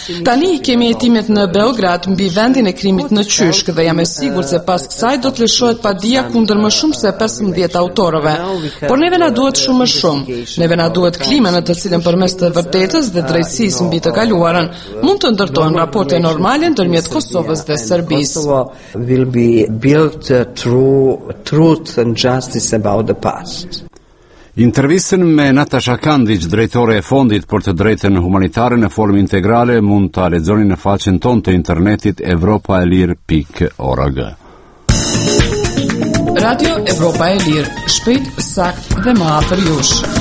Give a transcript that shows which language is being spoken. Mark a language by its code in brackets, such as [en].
[sq] Tani kemi hetimet në Beograd mbi vendin e krimit në Qyshk dhe jam e sigurt se pas kësaj do të lëshohet padia kundër më shumë se 15 autorëve. Por neve na duhet shumë më shumë. Neve na duhet klima në të cilën përmes të vërtetës dhe drejtësisë mbi të kaluarën mund të ndërtohen raporte normale ndërmjet Kosovës dhe Serbisë. [en] Will be built through truth and justice about the past. [sq] Intervistën me Natasha Kandic, drejtore e fondit për të drejtën humanitare në formë integrale, mund të lexoni në faqen tonë të internetit europaelir.org. Radio Evropa e Lirë, shpejt, sakt dhe më afër jush.